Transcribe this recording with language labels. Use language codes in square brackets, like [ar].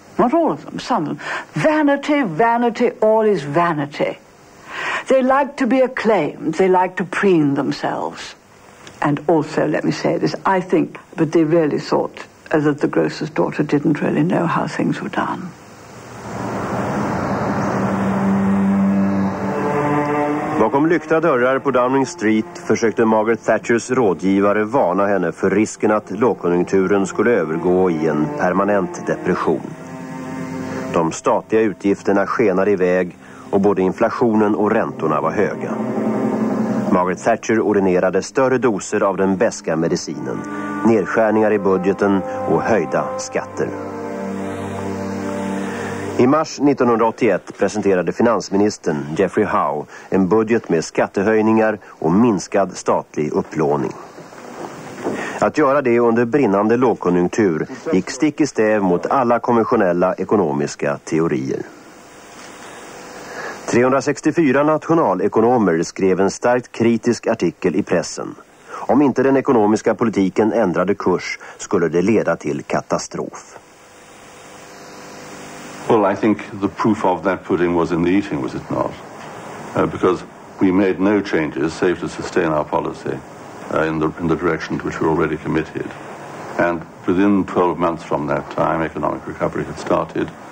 [en] Not all of them, some of them. Vanity, vanity, all is vanity. They liked to be acclaimed. They liked to preen themselves. And also, let me say this, I think, but they really thought that the grocer's daughter didn't really know how things were done. [sv] Bakom lyckta dörrar på Downing Street försökte Margaret Thatchers rådgivare varna henne för risken att lågkonjunkturen skulle övergå i en permanent depression. De statliga utgifterna skenade iväg och både inflationen och räntorna var höga. Margaret Thatcher ordinerade större doser av den beska medicinen, nedskärningar i budgeten och höjda skatter. I mars 1981 presenterade finansministern Jeffrey Howe en budget med skattehöjningar och minskad statlig upplåning. Att göra det under brinnande lågkonjunktur gick stick i stäv mot alla konventionella ekonomiska teorier. 364 nationalekonomer skrev en starkt kritisk artikel i pressen. Om inte den ekonomiska politiken ändrade kurs skulle det leda till katastrof. [en] Well, I think the proof of that pudding was in the eating, was it not? Because we made no changes save to sustain our policy in the direction to which we were already committed. And within 12 months from that time, economic recovery had started.